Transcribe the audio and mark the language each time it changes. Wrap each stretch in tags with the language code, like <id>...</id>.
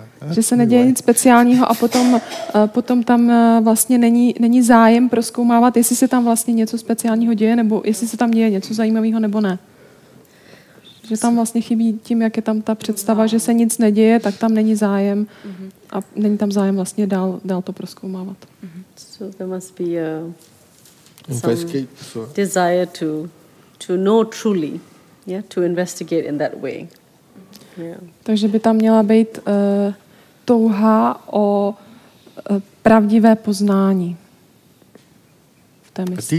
<cs>Že se neděje nic speciálního a potom tam vlastně není zájem prozkoumávat, jestli se tam vlastně něco speciálního děje, nebo jestli se tam děje něco zajímavého, nebo ne. Že tam vlastně chybí tím, jak je tam ta představa, že se nic neděje, tak tam není zájem a není tam zájem vlastně dál to prozkoumávat.</cs> <en>So there must be a... Some desire to know truly, yeah, to investigate in that way.</en> <cs>Takže by tam měla být touha o pravdivé poznání v té mysli.</cs>